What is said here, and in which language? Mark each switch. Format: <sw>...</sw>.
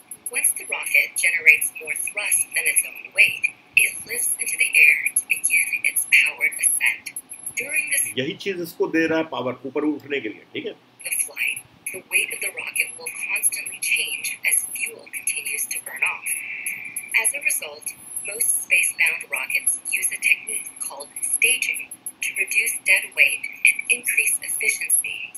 <en>Once the rocket generates more thrust than its own weight, it lifts into the air to begin its powered ascent. During this,</en> <hi>यही चीज इसको दे रहा है power ऊपर उठने के लिए, ठीक है?</hi> <en>The flight, the weight of the rocket will constantly change as fuel continues to burn off. As a result, most space-bound rockets use a technique called staging to reduce dead weight and increase efficiency.</en>